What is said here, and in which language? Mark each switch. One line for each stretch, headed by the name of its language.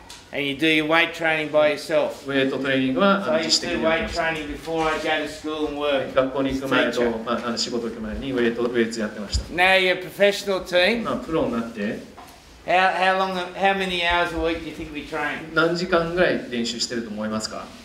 English: And you do your weight training by yourself. So you do weight training before I go to school and work.
Japanese: 学校に行く前と、仕事行く前にウェイトやってました。
English: Now you're a professional team.
Japanese: まあプロになって。
English: How many hours a week do you think we train?
Japanese: 何時間ぐらい練習してると思いますか?